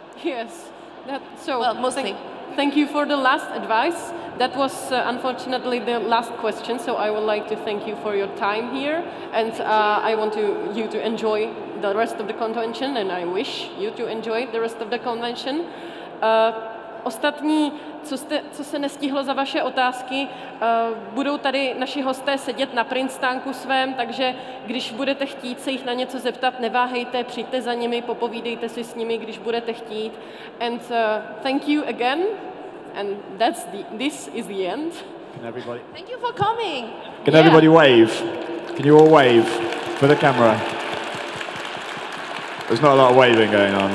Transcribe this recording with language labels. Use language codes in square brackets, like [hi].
[en] Yes. That, so well, mostly. Thank you for the last advice. That was unfortunately the last question, so I would like to thank you for your time here. And I want you to enjoy the rest of the convention, and I wish you to enjoy the rest of the convention. [cs] Ostatní, co se nestihlo za vaše otázky, budou tady naši hosté sedět na print stánku svém, takže když budete chtít se jich na něco zeptat, neváhejte, přijďte za nimi, popovídejte si s nimi, když budete chtít. [en] And thank you again, and that's this is the end. Can everybody? Thank you for coming. Can everybody wave? Can you all wave for the camera? There's not a lot of waving going on.